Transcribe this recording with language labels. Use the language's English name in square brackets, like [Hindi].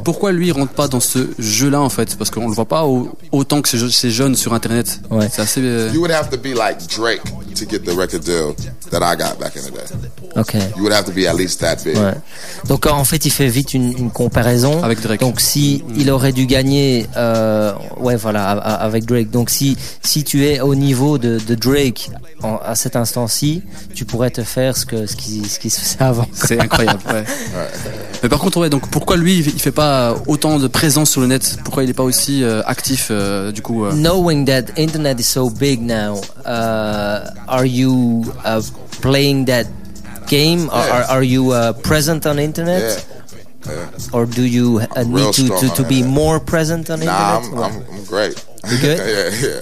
[French] Et pourquoi lui, il rentre pas dans ce jeu-là, en fait? Parce qu'on le voit pas autant que ces jeunes sur Internet. Ouais. C'est assez... [English] You would have to be like Drake to get the record deal that I got back in the day. Okay. You would have to be at least that big. [French] Ouais. Donc, en fait, il fait vite une comparaison. Avec Drake. Donc, si il aurait dû gagner... ouais, voilà, avec Drake. Donc, si tu es au niveau de Drake... à cet instant-ci, tu pourrais te faire ce qui se faisait avant. C'est incroyable. Ouais. Mais par contre, ouais, donc pourquoi lui, il fait pas autant de présence sur le net? Pourquoi il est pas aussi actif, du coup? [English] Knowing that internet is so big now, are you playing that game? Yes. Are you present on the internet? Yeah. Yeah. Or do you need to be more present on internet? I'm great. You good?